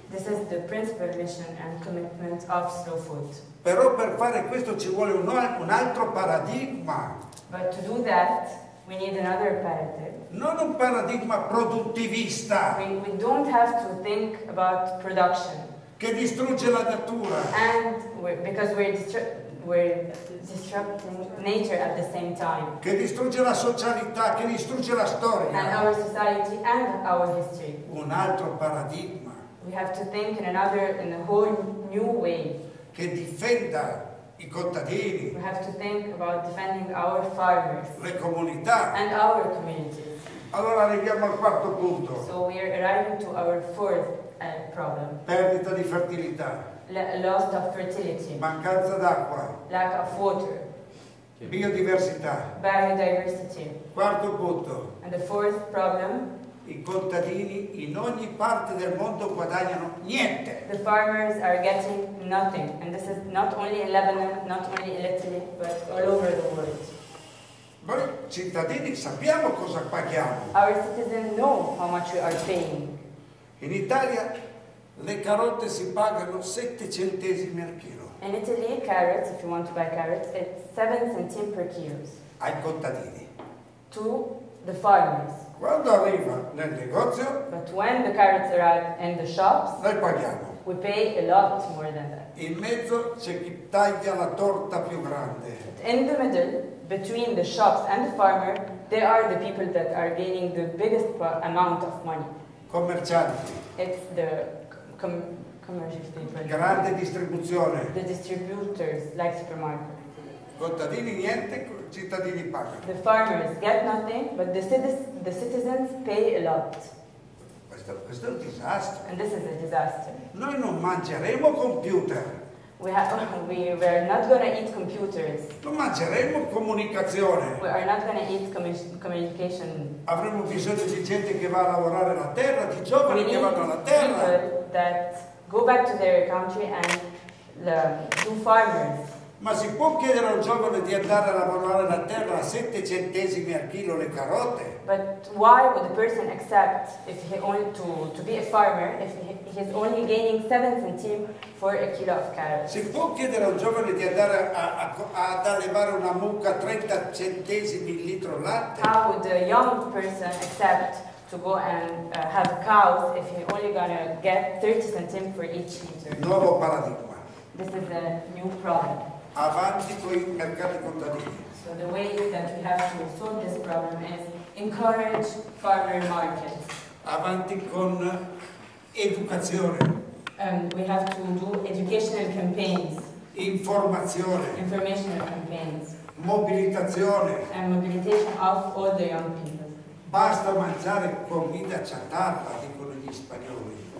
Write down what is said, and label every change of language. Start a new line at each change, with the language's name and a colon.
English: This is the principal mission and commitment of Slow Food.
Italian: Però per fare questo ci vuole un altro paradigma.
English: But to do that, we need another paradigm.
Italian: Non un paradigma produttivista.
English: We don't have to think about production.
Italian: Che distrugge la natura.
English: And we're disrupting nature at the same time.
Italian: Che distrugge la socialità, che distrugge la storia.
English: And our society and our history.
Italian: Un altro paradigma.
English: We have to think in a whole new way.
Italian: Che difenda i contadini.
English: We have to think about defending our farmers.
Italian: Le comunità.
English: And our communities.
Italian: Allora arriviamo al quarto punto.
English: So we are arriving to our fourth problem.
Italian: Perdita di fertilità.
English: Loss of fertility.
Italian: Mancanza d'acqua.
English: Lack of water.
Italian: Biodiversità.
English: Biodiversity.
Italian: Quarto punto.
English: And the fourth problem.
Italian: I contadini in ogni parte del mondo guadagnano niente.
English: The farmers are getting nothing. And this is not only in Lebanon, not only in Italy, but all over the world.
Italian: Noi cittadini sappiamo cosa paghiamo.
English: Our citizens know how much we are paying.
Italian: In Italia le carote si pagano 7 centesimi al chilo.
English: In Italy, carrots, if you want to buy carrots, it's 7 centimes per kilo.
Italian: Ai contadini.
English: To the farmers.
Italian: Quando arriva nel negozio,
English: but when the carrots arrive in the shops,
Italian: noi paghiamo.
English: We pay a lot more than that.
Italian: In mezzo c'è chi taglia la torta più grande.
English: But in the middle, between the shops and the farmer, there are the people that are gaining the biggest amount of money.
Italian: commercianti.
English: It's the commercial people.
Italian: Grande distribuzione.
English: The distributors, like supermarket.
Italian: Contadini niente, cittadini pagano.
English: The farmers get nothing, but the citizens pay a lot.
Italian: Questo è un disastro.
English: And this is a disaster.
Italian: Noi non mangeremo computer.
English: We are not going to eat computers.
Italian: Non mangeremo comunicazione.
English: We are not going to eat communication.
Italian: Avremo bisogno di gente che va a lavorare la terra, di giovani che vanno alla terra.
English: That go back to their country and do farming.
Italian: Ma si può chiedere a un giovane di andare a lavorare la terra a 7 centesimi al chilo le carote?
English: But why would the person accept if he only to be a farmer if he's only gaining 7 centimes for a kilo of carrots?
Italian: Si può chiedere a un giovane di andare ad allevare una mucca a 30 centesimi il litro latte?
English: How would a young person accept to go and have cows if he only gonna get 30 centimes for each liter?
Italian: Nuovo paradigma.
English: This is a new problem.
Italian: Avanti con i mercati contadini.
English: So the way that we have to solve this problem is encourage farmer markets.
Italian: Avanti con educazione.
English: We have to do educational campaigns.
Italian: Informazione.
English: Informational campaigns.
Italian: Mobilitazione.
English: And mobilitation of all the young people.
Italian: Basta mangiare
Spanish: comida chatarra,
Italian: dicono gli spagnoli.